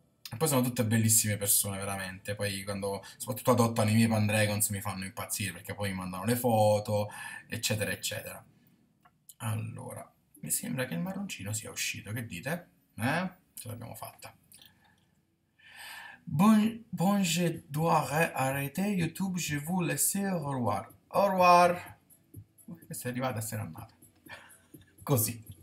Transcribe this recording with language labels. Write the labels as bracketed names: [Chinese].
[Italian] E poi sono tutte bellissime persone, veramente. Poi quando, soprattutto adottano i miei Pandragons, mi fanno impazzire perché poi mi mandano le foto, eccetera, eccetera. Allora, mi sembra che il marroncino sia uscito. Che dite? Eh? Ce l'abbiamo fatta. [French] Bonjour, arrêtez YouTube, je vous laisse au revoir. Au revoir. [Italian] Questa è arrivata e se n'è andata. Così.